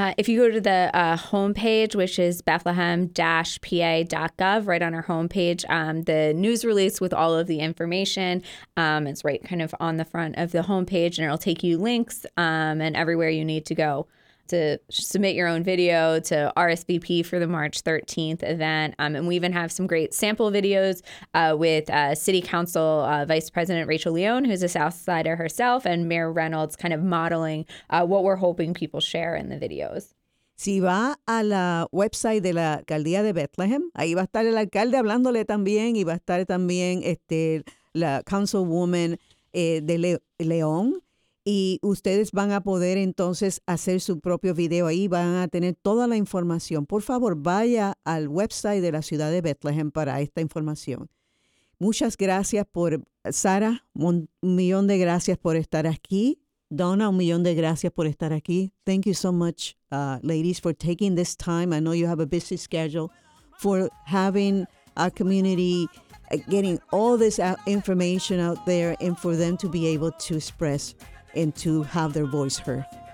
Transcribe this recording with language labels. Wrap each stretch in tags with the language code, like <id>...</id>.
<en>If you go to the homepage, which is bethlehem-pa.gov, right on our homepage, the news release with all of the information, it's right kind of on the front of the homepage, and it'll take you links and everywhere you need to go to submit your own video, to RSVP for the March 13th event. And we even have some great sample videos with City Council Vice President Rachel Leone, who's a Southsider herself, and Mayor Reynolds kind of modeling what we're hoping people share in the videos.</en> <es>Si va a la website de la alcaldía de Bethlehem, ahí va a estar el alcalde hablándole también, y va a estar también la councilwoman de León. Y ustedes van a poder entonces hacer su propio video ahí, van a tener toda la información. Por favor, vaya al website de la ciudad de Bethlehem para esta información. Muchas gracias por, Sara, un millón de gracias por estar aquí. Donna, un millón de gracias por estar aquí.</es> <en>Thank you so much, ladies, for taking this time. I know you have a busy schedule, for having our community, getting all this information out there, and for them to be able to express and to have their voice heard.</en>